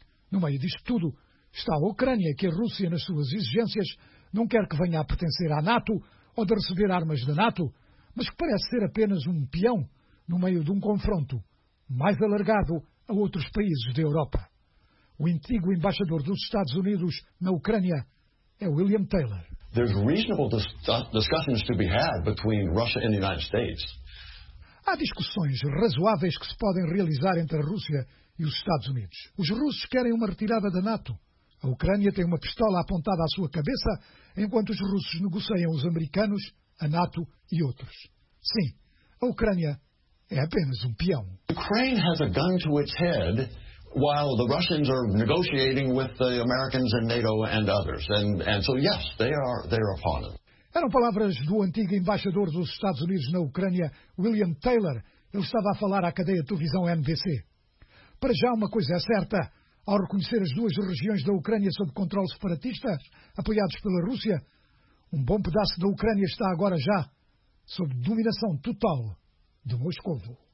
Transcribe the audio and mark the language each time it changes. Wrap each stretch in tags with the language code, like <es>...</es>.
<pt>No meio disto tudo, está a Ucrânia, que a Rússia, nas suas exigências, não quer que venha a pertencer à NATO ou de receber armas da NATO, mas que parece ser apenas um peão no meio de um confronto mais alargado a outros países da Europa. O antigo embaixador dos Estados Unidos na Ucrânia é William Taylor.</pt> <en>There's reasonable discussions to be had between Russia and the United States.</en> <pt>Há discussões razoáveis que se podem realizar entre a Rússia e os Estados Unidos. Os russos querem uma retirada da NATO. A Ucrânia tem uma pistola apontada à sua cabeça, enquanto os russos negociam os americanos, a NATO e outros. Sim, a Ucrânia é apenas um peão.</pt> <en>Ukraine has a gun to its head while the Russians are negotiating with the Americans and NATO and others. And so yes, they are upon it.</en> <pt>Eram palavras do antigo embaixador dos Estados Unidos na Ucrânia, William Taylor. Ele estava a falar à cadeia de televisão NBC. Para já, uma coisa é certa. Ao reconhecer as duas regiões da Ucrânia sob controle separatista, apoiados pela Rússia, um bom pedaço da Ucrânia está agora já sob dominação total de Moscovo.</pt>